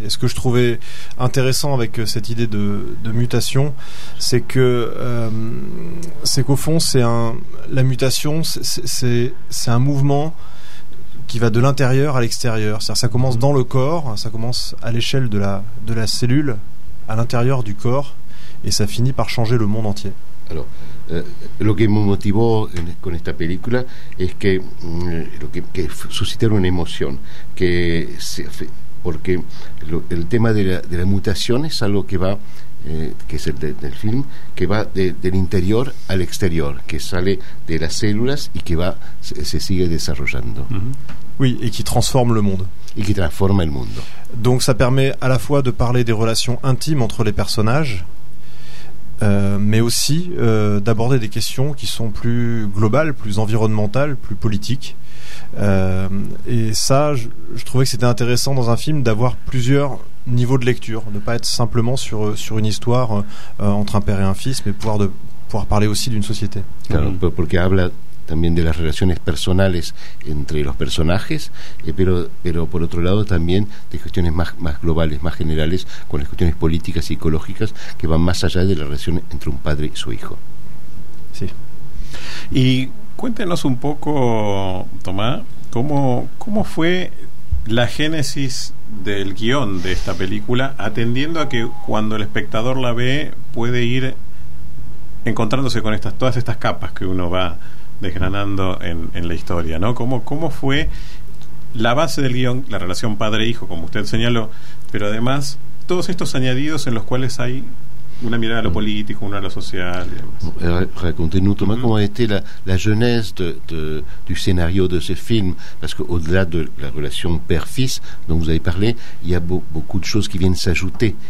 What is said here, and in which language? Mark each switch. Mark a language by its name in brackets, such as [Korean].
[French] Et ce que je trouvais intéressant avec cette idée de mutation, c'est qu'au fond, c'est un mouvement qui va de l'intérieur à l'extérieur. C'est-à-dire, ça commence dans le corps, ça commence à l'échelle de la cellule, à l'intérieur du corps, et ça finit par changer le monde entier. [Spanish] Alors, lo que me motivó con esta película es que que suscitaron una emoción, que porque el tema de la mutación es algo que va que es el del film, que va del interior al exterior, que sale de las células y que va se sigue desarrollando. [French] Oui, et qui transforme le monde. Et qui transforme [Spanish] el mundo. [French] Donc ça permet à la fois de parler des relations intimes entre les personnages, mais aussi d'aborder des questions qui sont plus globales, plus environnementales, plus politiques. Et ça, je trouvais que c'était intéressant dans un film d'avoir plusieurs niveaux de lecture, de ne pas être simplement sur une histoire entre un père et un fils, mais pouvoir parler aussi d'une société. [Spanish] Claro, porque habla también de las relaciones personales entre los personajes, pero por otro lado también de cuestiones más globales, más generales, con las cuestiones políticas y ecológicas que van más allá de la relación entre un padre y su hijo. Sí. Y cuéntenos un poco, Thomas, ¿cómo fue la génesis del guión de esta película, atendiendo a que cuando el espectador la ve puede ir encontrándose con todas estas capas que uno va desgranando en la historia, ¿no? ¿Cómo fue la base del guión, la relación padre-hijo, como usted señaló, pero además todos estos añadidos en los cuales hay una mirada a lo político, una a lo social y demás? [French] Racontez-nous, Thomas, [Spanish] cómo ha sido [French] la jeunesse du scénario de ce film, parce que au-delà de la [Spanish] relación [French] père-fils dont vous avez parlé, il y a beaucoup de choses qui viennent s'ajouter.